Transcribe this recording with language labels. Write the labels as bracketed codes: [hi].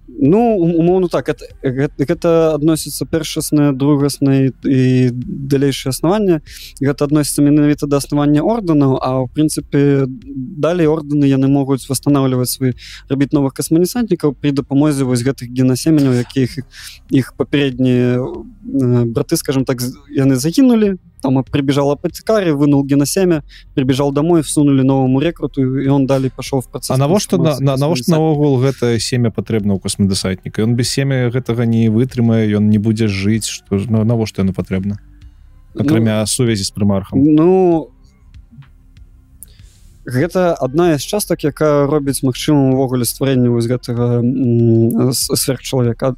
[be] Ну, умовно так, гэта адносіцца першаснае, другаснае і далейшае аснаванне. Гэта адносіцца менавіта да аснавання ордэнаў, а ў прынцыпе далей ордэны яны могуць восстанавливаць свой, рабіць новых космодесантнікаў пры дапамозе вось гэтых геносеменяў, якіх іх папярэднія браты, скажам так, яны загінулі. [ru] Там прибежал апотекарь, вынул геносемя, прибежал домой, всунули новому рекруту, и он далее пошел в процесс. [be] А навошта наогул гэта семя патрэбна ў космодесантніка? Ён без семя гэтага не вытрымае, ён не будзе жыць. Што, навошта яно патрэбна? Акрамя сувязі з прымархам. Ну, гэта адна з частак, якая робіць магчымым увогуле стварэнне вось гэтага сверхчалавека.